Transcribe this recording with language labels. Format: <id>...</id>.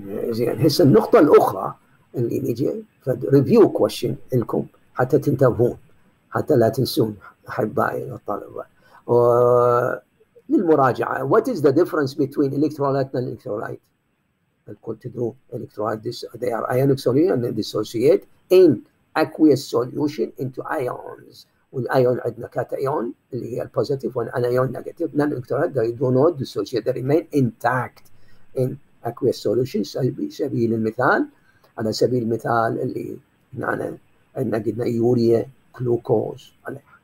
<ar>زين، هسه النقطة الأخرى اللي نجي فريفيو كويشن لكم حتى تنتبهون، حتى لا تنسون احبائي الطلبة للمراجعة.</ar> <en>What is the difference between electrolyte and electrolyte؟</en> <ar>الكل تدرون</ar> <en>electrolyte they are ionic solution and they dissociate in aqueous solution into ions.</en> <ar>والايون عندنا كاتايون اللي هي البوزيتيف والانايون نيجاتيف.</ar> <en>Non electrolyte they do not dissociate, they remain intact in aqueous solution.</en> <ar>سبيل المثال، على سبيل المثال اللي نحن عندنا قلنا يوريا كلوكوز عليها.</ar>